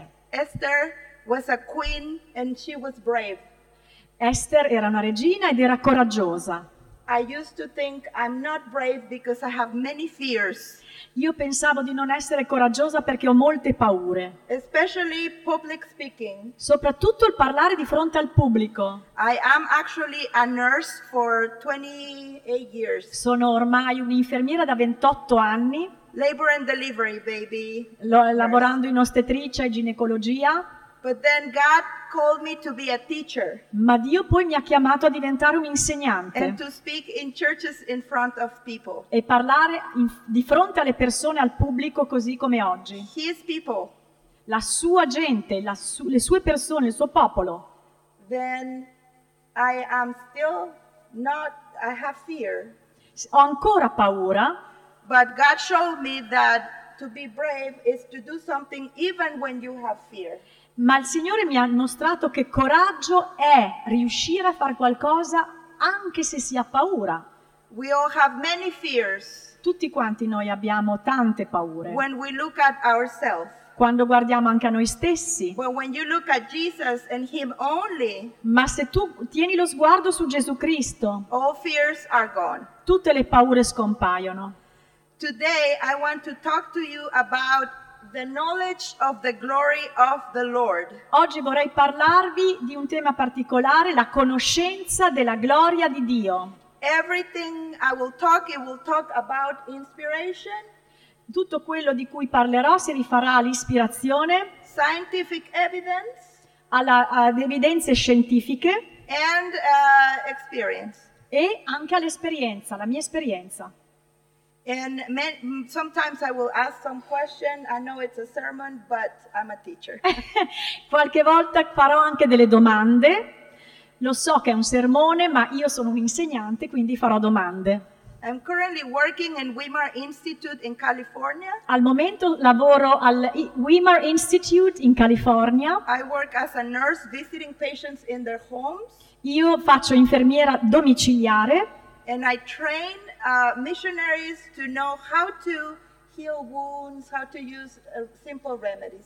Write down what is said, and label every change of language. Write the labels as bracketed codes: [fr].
[en] Esther was a queen and she was brave. [it] Esther era una regina ed era coraggiosa. [en] I used to think I'm not brave because I have many fears. [it] Io pensavo di non essere coraggiosa perché ho molte paure. [en] Especially public speaking. [it] Soprattutto il parlare di fronte al pubblico. [en] I am actually a nurse for 28 years. [it] Sono ormai un'infermiera da 28 anni. [en] Labor and delivery, baby. [it] Lavorando in ostetricia e ginecologia. [en] But then God called me to be a teacher. [it] Ma Dio poi mi ha chiamato a diventare un insegnante. [en] And to speak in churches in front of people. [it] E parlare di fronte alle persone, al pubblico, così come oggi. [en] His people. [it] La sua gente, le sue persone, il suo popolo. [en] Then I am still not. I have fear. [it] Ho ancora paura. [en] But God showed me that to be brave is to do something even when you have fear. [it] Ma il Signore mi ha mostrato che coraggio è riuscire a fare qualcosa anche se si ha paura. [en] We all have many fears. [it] Tutti quanti noi abbiamo tante paure. [en] When we look at ourselves. [it] Quando guardiamo anche a noi stessi. [en] But when you look at Jesus and him only. [it] Ma se tu tieni lo sguardo su Gesù Cristo. [en] All fears are gone. [it] Tutte le paure scompaiono. [en] Today I want to talk to you about the knowledge of the glory of the Lord. [it] Oggi vorrei parlarvi di un tema particolare, la conoscenza della gloria di Dio. [en] Everything I will talk, it will talk about inspiration. [it] Tutto quello di cui parlerò si rifarà all'ispirazione. [en] Scientific evidence. [it] Ad evidenze scientifiche. [en] And experience. [it] E anche all'esperienza, la mia esperienza. [en] And sometimes I will ask some question. I know it's a sermon, but I'm a teacher. [it] Qualche volta farò anche delle domande. Lo so che è un sermone, ma io sono un insegnante, quindi farò domande. [en] I'm currently working in Wimmer Institute in California. [it] Al momento lavoro al Wimmer Institute in California. [en] I work as a nurse visiting patients in their homes. [it] Io faccio infermiera domiciliare. [en] And I train missionaries to know how to heal wounds, how to use simple remedies.